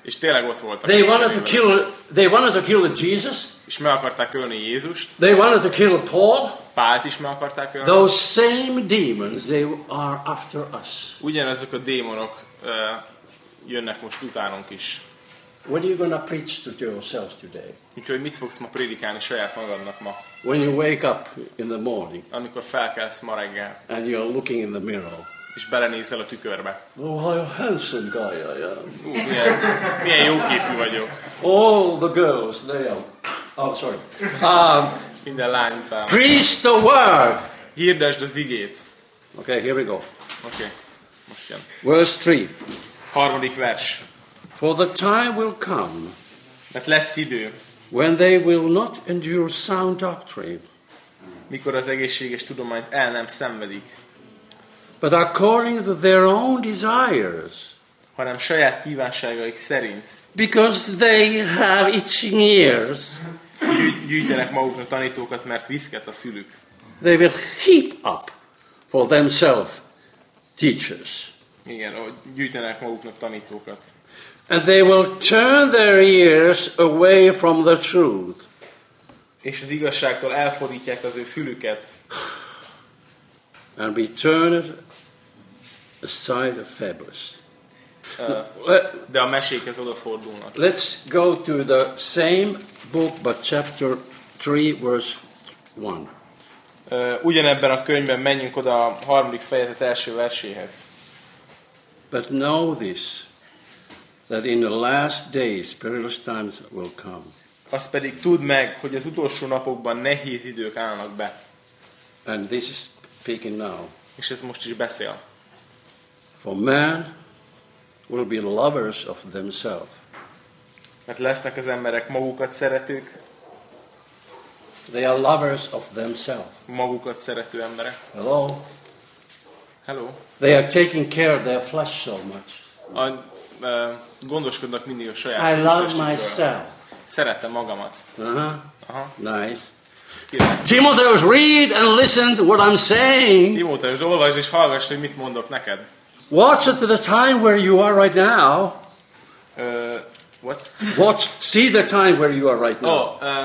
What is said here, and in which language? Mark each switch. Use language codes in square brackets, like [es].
[hu] És tényleg ott voltak. [en] They wanted to kill Jesus. [hu] És meg akarták ölni Jézust. [en] They wanted to kill Paul. [hu] Pált is meg akarták ölni. [en] Those same demons, they are after us. [hu] Ugyanezek a démonok jönnek most utánunk is. [en] What are you gonna preach to yourself today? [hu] Úgyhogy mit fogsz ma prédikálni saját magadnak ma? [en] When you wake up in the morning. [hu] Amikor felkelsz ma reggel. [en] And you're looking in the mirror. [hu] És belenézel a tükörbe. [en] Oh, how handsome guy I am. [hu] Milyen jó képű vagyok. [en] All the girls, they are. Oh, sorry. [hu] Minden lány után. [en] Preach the word. [hu] Hirdesd az igét. [en] Okay, here we go. [hu] Okay, most jön. [en] Verse 3. [hu] Harmadik vers. [en] For the time will come. [hu] Mert lesz idő. [en] When they will not endure sound doctrine. [hu] Mikor az egészséges tudományt el nem szenvedik. [en] But according to their own desires. [hu] Hanem saját kívánságaik szerint. [en] Because they have itching ears. [hu] Gyűjtenek maguknak tanítókat, mert viszket a fülük. [en] They will heap up for themselves teachers. [hu] Igen, gyűjtenek maguknak tanítókat. [en] And they will turn their ears away from the truth. [hu] És az igazságtól elfordítják az ő fülüket. [en] And be turned aside of Phoebus. [hu] De a mesékhez odafordulnak. [en] Let's go to the same book, but chapter 3, verse 1. [hu] Ugyanebben a könyvben menjünk oda a harmadik fejezet első verséhez. [en] But know this, that in the last days perilous times will come. [hu] Azt pedig tudd meg, hogy az utolsó napokban nehéz idők állnak be. [en] And this is speaking now. [hu] És ez most is beszél. [en] For man will be lovers of themselves. [hu] Mert lesznek az emberek magukat szeretők. [en] They are lovers of themselves. [hu] Magukat szerető emberek. [en] Hello. They are taking care of their flesh so much. [hu] Gondoskodnak mindig a saját. [en] I love myself. [hu] Szeretem magamat. [en] Nice. Timotheus, read and listen to what I'm saying. [hu] Timotheus, olvasd és hallgass, hogy mit mondok neked. [en] Watch to the time where you are right now. What? Watch, see the time where you are right now.